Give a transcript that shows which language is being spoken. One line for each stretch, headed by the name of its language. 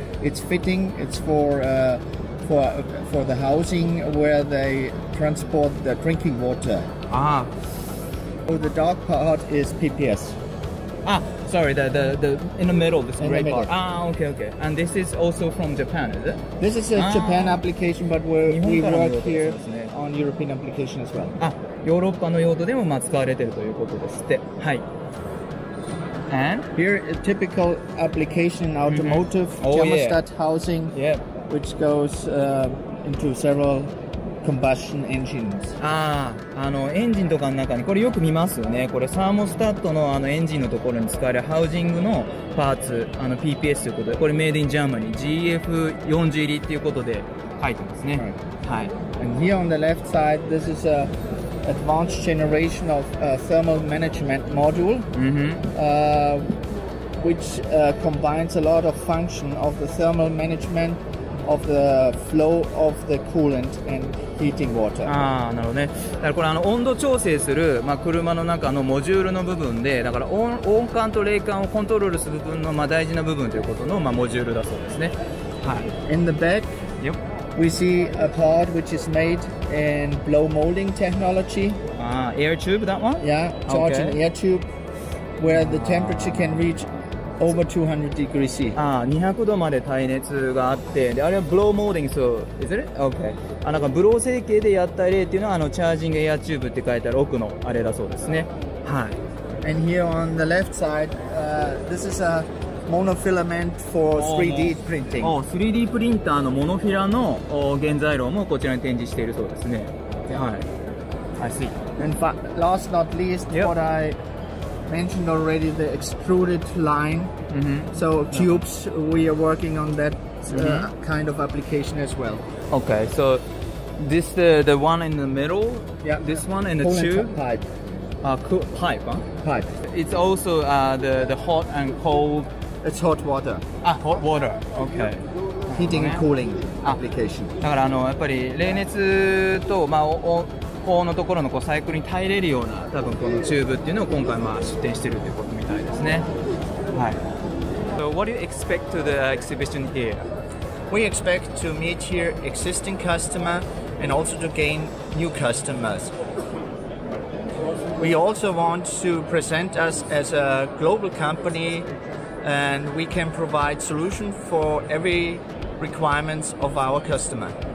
English: It's fitting, it's for the housing where they transport the drinking water. Ah. So the dark part is PPS. Ah, sorry, the in the middle, this gray part. Ah, okay, okay. And this is also from Japan, is it? This is a Japan application, but we work here on European application as well.
Japanese: Ah, ヨーロッパの用途でも使われているということですって。はい。
English: And? Here, a typical application in automotive, thermostat housing, which goes into several... combustion engines.
Japanese: あのエンジンとかの中にこれよく見ますよね。これサーモスタットのあのエンジンのところに使われるハウジングのパーツ、あの PPS ということで、これメイドインジャーマニー GF40 入りということで書いてますね。はい。
English: And here on the left side, this is a advanced generation of thermal management module, which combines a lot of function of the thermal management. Of the flow of the coolant and heating water.
Japanese: ああ、なるほどね。だからこれあの温度調整する、まあ、車の中のモジュールの部分で、だから温管と冷管をコントロールする部分の、まあ、大事な部分ということの、まあ、モジュールだそうですね。はい。
English: In the back, we see a part which is made in blow molding technology. Ah, air tube, that one? Yeah, charge an air tube where the temperature can reachover 200 degrees C.
Japanese: ああ、200度まで耐熱があって、で、あれはブローモーディング、そう、
English: is it? Okay.
Japanese: あ、なんかブロー成形でやった例っていうのは、あの、チャージングエアチューブって書いてある奥のあれだそうですね。はい。
English: And here on the left side, this is a monofilament for 3D printing.
Japanese: おー、3D プリンターのモノフィラの原材料もこちらに展示しているそうですね。はい。
English: I see. And last not least, what I... mentioned already the extruded line, so tubes, we are working on that kind of application as well. Okay, so this the one in the middle, this one and the tube? Pipe. Pipe, huh? Pipe. It's also the hot and cold? It's hot water. Ah, hot water, okay. Heating and cooling application.
Japanese: だからあのやっぱり冷熱と、まあおこのところのこうサイクルに耐えれるような多分このチューブっていうのを今回まあ出展してるってことみたいですね。はい。
English: So what do you expect to the exhibition here? We expect to meet here existing customer and also to gain new customers. We also want to present us as a global company and we can provide solution for every requirements of our customer.